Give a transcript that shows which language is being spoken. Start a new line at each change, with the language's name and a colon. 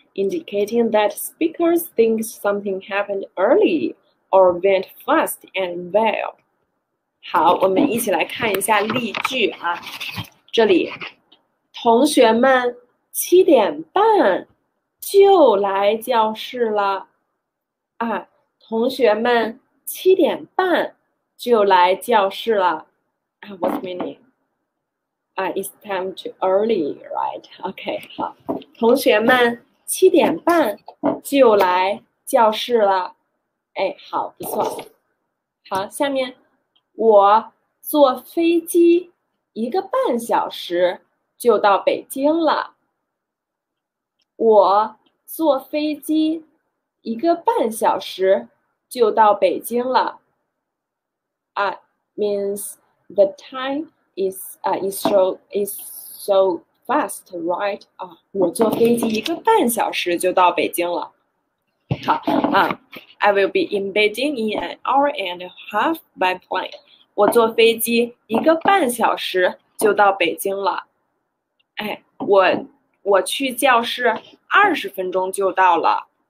English: Indicating that speakers think something happened early or went fast and well。
Chinese: 好，我们一起来看一下例句啊。这里，同学们7点半就来教室了。啊，同学们7点半就来教室了。
English: 啊，what's meaning？ 啊，it's time too early, right？OK，
Chinese: 好，同学们。 7点半就来教室了，哎，好，不错，好，下面我坐飞机1个半小时就到北京了。我坐飞机1个半小时就到北京了。
English: It means the time is so fast, right?
Chinese: 我坐飞机1个半小时就到北京了。
English: 好啊，I will be in Beijing in an hour and a half by plane。
Chinese: 我坐飞机1个半小时就到北京了。哎，我去教室20分钟就到了。